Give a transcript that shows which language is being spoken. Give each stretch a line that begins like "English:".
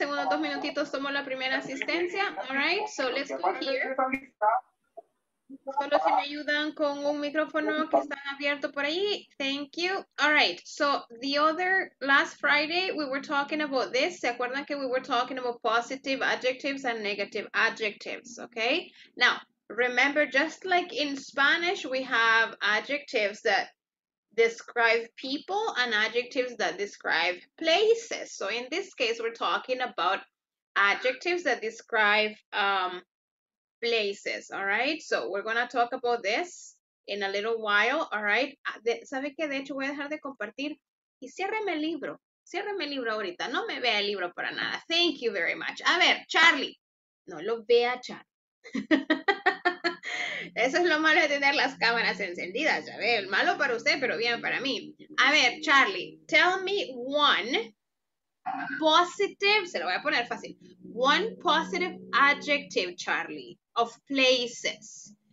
Spanish: En unos dos minutitos tomo la primera asistencia.
English: All right, so let's go here.
Spanish: Solo si me ayudan con un micrófono que está abierto por ahí.
English: Thank you. All right. So the other, last Friday, we were talking about this.
Spanish: ¿Se acuerdan que
English: we were talking about positive adjectives and negative adjectives? Okay. Now, remember, just like in Spanish, we have adjectives that describe people and adjectives that describe places. So in this case, we're talking about adjectives that describe places, all right? So we're going to talk about this in a little while, all right?
Spanish: ¿Sabe qué? De hecho, voy a dejar de compartir y ciérreme el libro. Ciérreme el libro ahorita. No me vea el libro para nada.
English: Thank you very much.
Spanish: A ver, Charlie. No lo vea, Charlie. Eso es lo malo de tener las cámaras encendidas, ya ve. Malo para usted, pero bien para mí. A ver, Charlie,
English: tell me one positive,
Spanish: se lo voy a poner fácil,
English: one positive adjective, Charlie, of places.